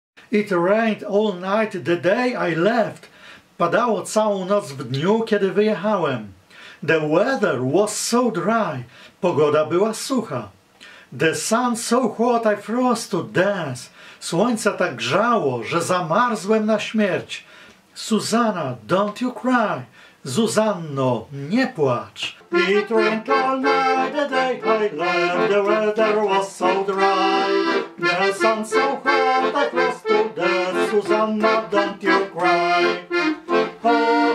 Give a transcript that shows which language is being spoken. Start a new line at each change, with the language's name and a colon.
English: it rained all night the day I left.
Polish: Padało całą noc w dniu, kiedy wyjechałem.
English: The weather was so dry.
Polish: Pogoda była sucha.
English: The sun so hot I froze to death.
Polish: Słońce tak grzało, że zamarzłem na śmierć.
English: Susanna, don't you cry.
Polish: Zuzanno, nie płacz.
English: It rained all night the day I left. The weather was so dry. The sun so hot I froze to death. Susanna, don't you cry. Oh,